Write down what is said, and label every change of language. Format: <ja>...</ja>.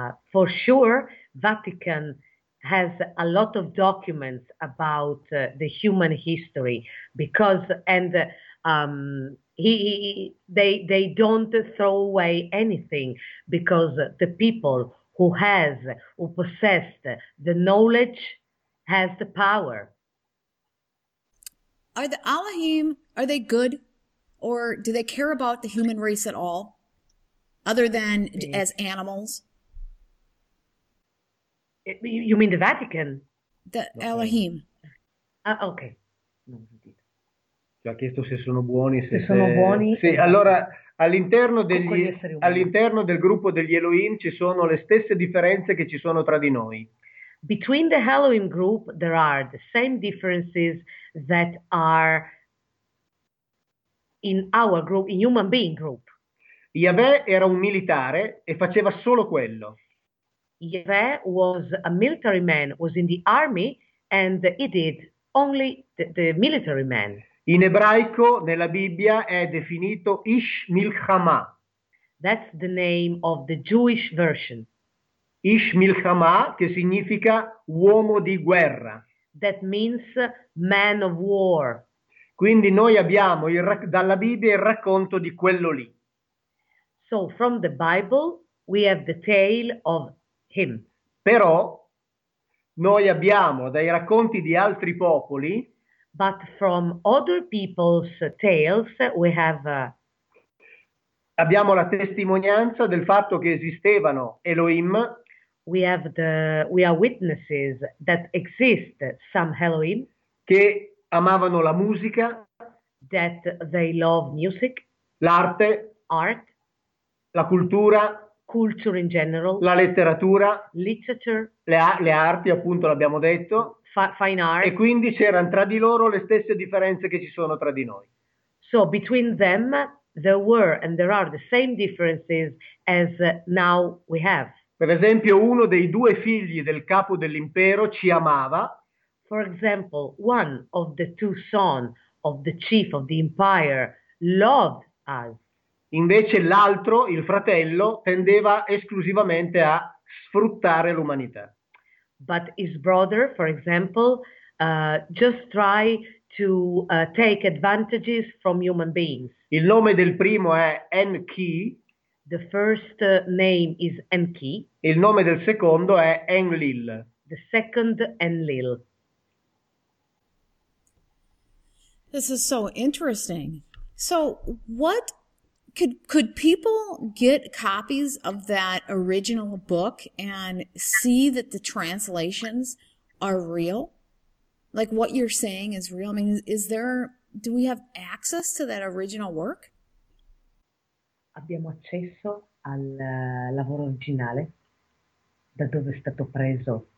<en>For sure, Vatican has a lot of documents about the human history because they don't throw away anything because the people who possessed the knowledge has the power. Are the Elohim, are they good, or do they care about the human race at all, other than</en> <it>Sì.</it> <en>as animals? You mean the Vatican? The No, sorry. Elohim.</en> <it>Ah, ok. Non ho sentito. Ci ha chiesto se sono buoni, Se sono buoni sì, allora con gli esseri umani. all'interno del gruppo degli Elohim ci sono le stesse differenze che ci sono tra di noi.</it> <en>Between the Elohim group, there are the same differences that are in our group, in human being group.</en> <it>Yahweh era un militare e faceva solo quello.</it> <en>Yahweh was a military man, was in the army, and he did only the military man.</en> <it>In ebraico, nella Bibbia, è definito Ish Milchama.</it> <en>That's the name of the Jewish version.</en> <it>Ish Milchama, che significa uomo di guerra.</it> <en>That means man of war.</en> <it>Quindi noi abbiamo dalla Bibbia il racconto di quello lì.</it> <en>So from the Bible we have the tale of him.</en> <it>Però noi abbiamo dai racconti di altri popoli</it> <en>But from other people's tales we have</en> <it>La testimonianza del fatto che esistevano Elohim.</it> <en>We are witnesses that exist some Elohim,</en> <it>Che amavano la musica,</it> <en>that they love music,</en> <it>l'arte,</it> <en>art,</en> <it>la cultura,</it> <en>culture in</en> <it>la</it> <en>general,</en> <it>letteratura,</it> <en>literature,</en> <it>le arti, appunto, l'abbiamo detto,</it> <en>fine</en> <it>e</it> <en>art.</en> <it>quindi c'erano tra di loro le stesse differenze che ci sono tra di noi.</it> <en>So between them there were and there are the same differences as now we have.</en> <it>Per esempio, uno dei due figli del capo dell'impero ci amava.</it> <en>For example, one of the two sons of the chief of the empire loved us.</en> <it>Invece l'altro, il fratello, tendeva esclusivamente a sfruttare l'umanità.</it> <en>But his brother, for example, just tried to take advantages from human beings.</en> <it>Il nome del primo è Enki,</it> <en>The first name is Enki,</en> <it>il nome del secondo è Enlil.</it> <en>the second Enlil. This is so interesting. So, what could people get copies of that original book and see that the translations are real? Like what you're saying is real? I mean, do we have access to that original work?</en> <it>Abbiamo accesso al lavoro originale, da dove è stato preso?</it>